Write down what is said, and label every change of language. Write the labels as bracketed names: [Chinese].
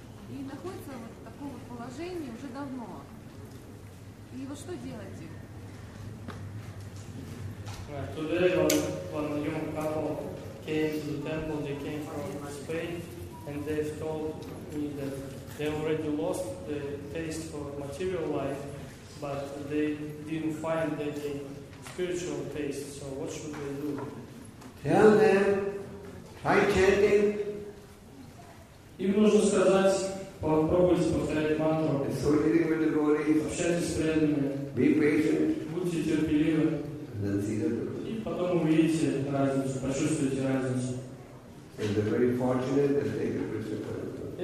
[Russian] И находится вот в таком вот положении уже давно. И вот что делать им? [English] Today when a young couple came to the temple, they came from Spain, and they told me that they already lost the taste for material life, but they didn't find any spiritual taste. So what should they do? Tell them, try chanting. [Russian] Им нужно сказать, попробуйте повторять мантру. [English] Associating with the devotees. [Russian] Общайтесь с преданными. [English] Be patient. [Russian] Будьте терпеливы. [English] And then see the difference. [Russian] И потом увидите разницу, почувствуете разницу. And they're very fortunate that they can reach the